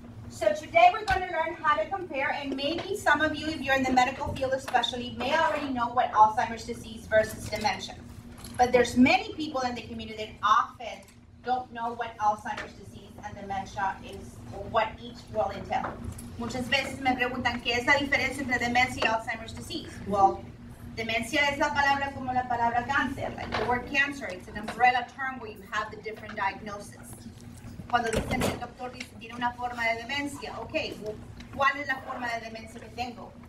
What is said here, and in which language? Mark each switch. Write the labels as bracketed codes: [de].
[en] So today we're going to learn how to compare, and maybe some of you, if you're in the medical field especially, may already know what Alzheimer's disease versus dementia. But there's many people in the community that often don't know what Alzheimer's disease and dementia is, or what each will entail. [es] Muchas veces me preguntan, ¿qué es la diferencia entre dementia y Alzheimer's disease? Well, dementia es la palabra como la palabra cáncer, [en] like the word cancer. It's an umbrella term where you have the different diagnoses. [es] Cuando dicen, el doctor dice, tiene una forma de demencia. [en] Okay, well, [es] ¿cuál es la forma de demencia que tengo?